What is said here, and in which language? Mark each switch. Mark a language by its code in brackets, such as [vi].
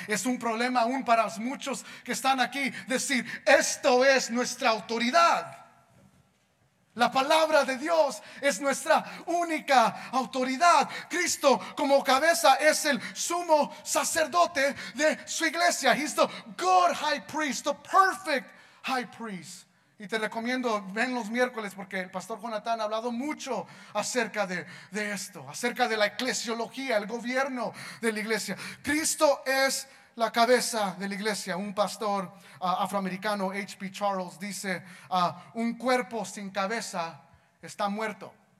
[es] Es un problema aún para muchos que están aquí decir, esto es nuestra autoridad. La palabra de Dios es nuestra única autoridad. Cristo como cabeza es el sumo sacerdote de su iglesia. [en] He's the good high priest, the perfect high priest. [es] Y te recomiendo, ven los miércoles, porque el pastor Jonathan ha hablado mucho acerca de esto, acerca de la eclesiología, el gobierno de la iglesia. Cristo es la cabeza de la iglesia. Un pastor afroamericano, H.P. Charles, dice, un cuerpo sin cabeza está muerto.